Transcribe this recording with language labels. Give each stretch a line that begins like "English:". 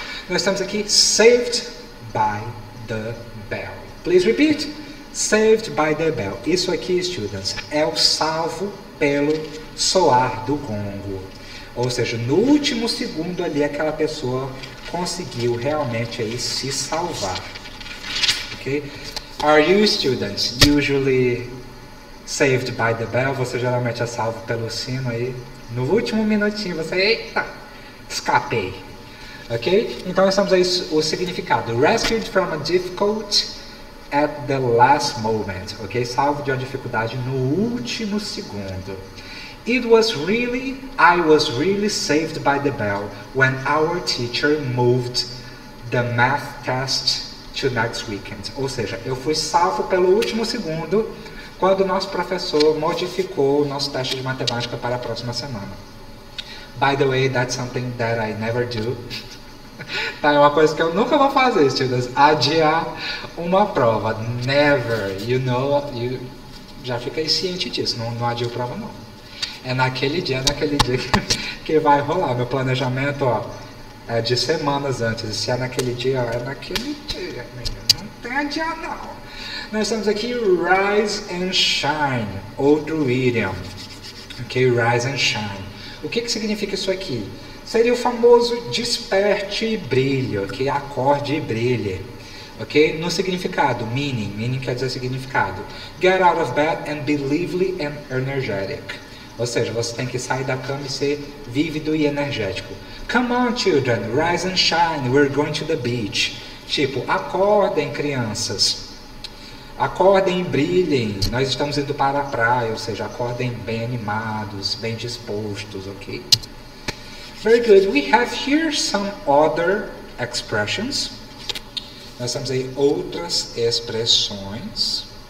Portuguese: Nós estamos aqui
English: saved by the bell. Please repeat. Saved by the bell.
Portuguese: Isso aqui, students, é o salvo pelo soar do gongo. Ou seja, no último segundo ali, aquela pessoa conseguiu realmente aí se salvar. Ok?
English: Are you students usually saved by the bell?
Portuguese: Você geralmente é salvo pelo sino aí. No último minutinho você, eita, escapei. Ok? Então, estamos aí o significado.
English: Rescued from a difficult at the last moment, ok?
Portuguese: Salvo de uma dificuldade no último segundo.
English: I was really saved by the bell when our teacher moved the math test to next weekend.
Portuguese: Ou seja, eu fui salvo pelo último segundo quando o nosso professor modificou o nosso teste de matemática para a próxima semana.
English: By the way, that's something that I never do.
Portuguese: Tá, é uma coisa que eu nunca vou fazer, students. Adiar uma prova. Never.
English: You know,
Portuguese: já fica aí ciente disso. Não, não adio prova, não. É naquele dia que vai rolar. Meu planejamento, ó, é de semanas antes. Se é naquele dia, ó, é naquele dia, menino. Não tem adiar, não. Nós temos aqui
English: rise and shine.
Portuguese: Outro idiom.
English: Ok? Rise and shine.
Portuguese: O que que significa isso aqui? Seria o famoso desperte e brilhe, ok? Acorde e brilhe, ok? No significado, meaning quer dizer significado.
English: Get out of bed and be lively and energetic.
Portuguese: Ou seja, você tem que sair da cama e ser vívido e energético.
English: Come on, children, rise and shine, we're going to the beach.
Portuguese: Tipo, acordem, crianças. Acordem e brilhem, nós estamos indo para a praia. Ou seja, acordem bem animados, bem dispostos, ok?
English: Very good. We have here some other expressions.
Portuguese: Nós temos aí outras expressões.